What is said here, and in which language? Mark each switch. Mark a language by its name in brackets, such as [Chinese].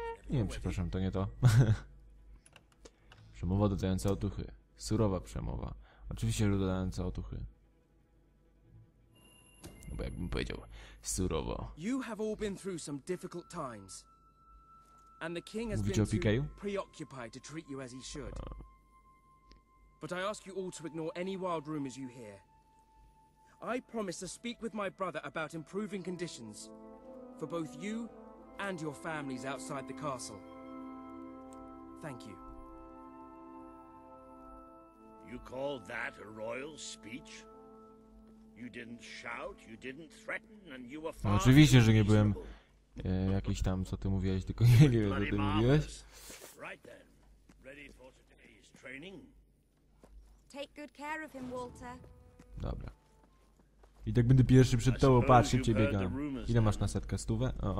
[Polish] Nie wiem, przepraszam, to nie to. Przemowa dodająca otuchy. Surowa przemowa. Oczywiście, że dodająca otuchy. No bo jakbym powiedział surowo. [English] You have all been through some difficult times. And the king has been preoccupied to treat you as he should. But I ask you all to ignore any wild rumors you hear. I promise to speak with my brother about improving conditions for both you and your families outside the castle. Thank you. You call that a royal speech? You didn't shout, you didn't threaten, and you were far. [Polish] Oczywiście, że nie byłem jakiś tam, co ty mówiłeś, tylko nie wiem, co ty mówiłeś. [English] Right then. Ready for today's training? Take good care of him, Walter. [Polish] Dobra. I tak będę pierwszy przed tobą, patrz, cię biegam. Ile masz na setkę? Stówę?